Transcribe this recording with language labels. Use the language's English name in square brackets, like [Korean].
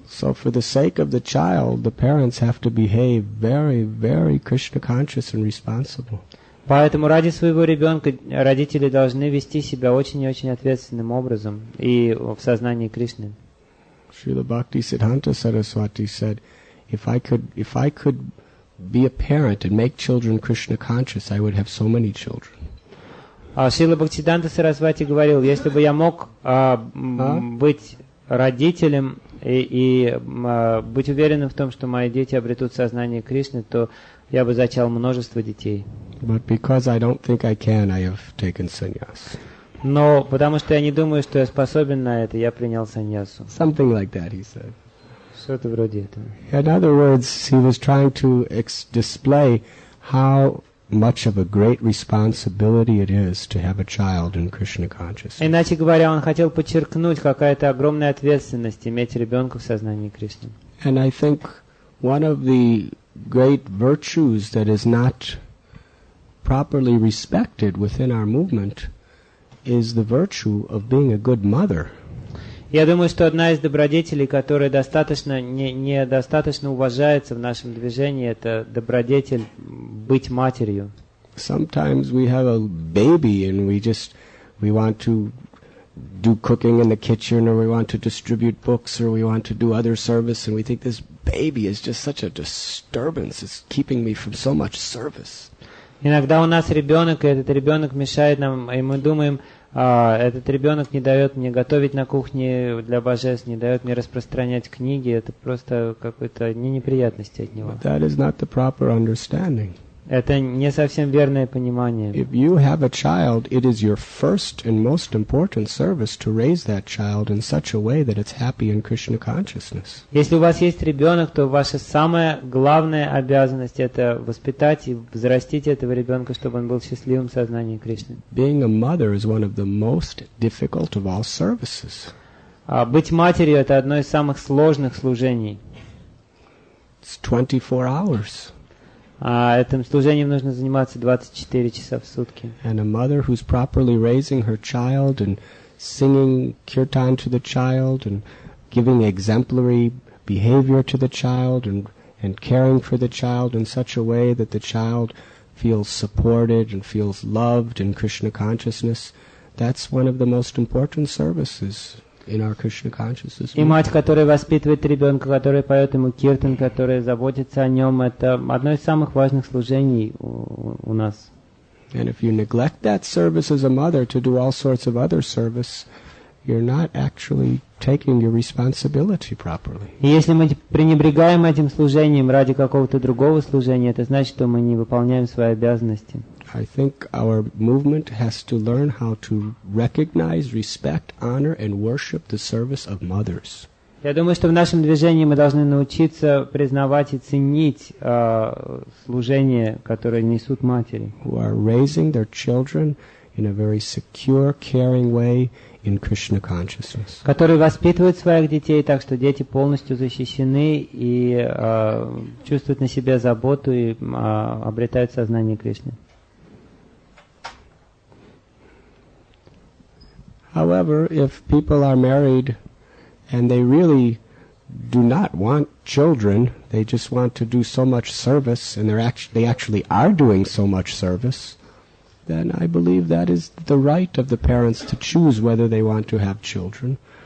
[English] So for the sake of the child, the parents have to behave very, very Krishna conscious and responsible. [Russian] Поэтому ради своего ребенка родители должны вести себя очень и очень ответственным образом и в сознании Кришны. [English] Srila Bhakti Siddhanta Saraswati said, if I could be a parent and make children Krishna conscious, I would have so many children. [Russian] Шрила Бхактисиддханта Сарасвати говорил, если бы я мог быть родителем и быть уверенным в том, что мои дети обретут сознание Кришны, то я бы зачал множество детей. [English] But because I don't think I can, I have taken sannyas. [Russian] Но потому что я не думаю, что я способен на это, я принял саньясу. [English] Something like that, he said. [Russian] Что-то вроде этого. [English] In other words, he was trying to display how much of a great responsibility it is to have a child in Krishna consciousness. [Russian] Иначе говоря, он хотел подчеркнуть, какая это огромная ответственность иметь ребенка в сознании Кришны. [English] And I think one of the great virtues that is not properly respected within our movement is the virtue of being a good mother. [Russian] Я думаю, что одна из добродетелей, которая недостаточно уважается в нашем движении, это добродетель быть матерью. [English] Sometimes we have a baby and we want to do cooking in the kitchen, or we want to distribute books, or we want to do other service, and we think this baby is just such a disturbance, it's keeping me from so much service. [Russian] Иногда у нас ребенок, и этот ребенок мешает нам, и мы думаем, этот ребенок не дает мне готовить на кухне для божеств, не дает мне распространять книги, это просто какая-то неприятность от него. [English] But that is not the proper understanding. [Russian] Это не совсем верное понимание. [English] If you have a child, it is your first and most important service to raise that child in such a way that it's happy in Krishna consciousness. [Russian] Если у вас есть ребенок, то ваша самая главная обязанность это воспитать и взрастить этого ребенка, чтобы он был счастливым в сознании Кришны. [English] Being a mother is one of the most difficult of all services. [Russian] Быть матерью это одно из самых сложных служений. [English] It's 24 hours. [Russian] А этим служением нужно заниматься 24 часа в сутки. [English] And a mother who's properly raising her child and singing kirtan to the child and giving exemplary behavior to the child and and caring for the child in such a way that the child feels supported and feels loved in Krishna consciousness, that's one of the most important services in our Krishna consciousness. [Russian] И мать, которая воспитывает ребенка, которая поет ему киртан, которая заботится о нем, это одно из самых важных служений у нас. [English] And if you neglect that service as a mother to do all sorts of other service, you're not actually taking your responsibility properly. [Russian] Если мы пренебрегаем этим служением ради какого-то другого служения, это значит, что мы не выполняем свои обязанности. [English] I think our movement has to learn how to recognize, respect, honor, and worship the service of mothers. [Russian] Я думаю, что в нашем движении мы должны научиться признавать и ценить служение, которое несут матери. [English] Who are raising their children in a very secure, caring way in Krishna consciousness. [Russian] Которые воспитывают своих детей так, что дети полностью защищены и чувствуют на себе заботу и обретают сознание Кришны. [English] However, if people are married and they really do not want children, they just want to do so much service, and they actually are doing so much service, then I believe that is the right of the parents to choose whether they want to have children.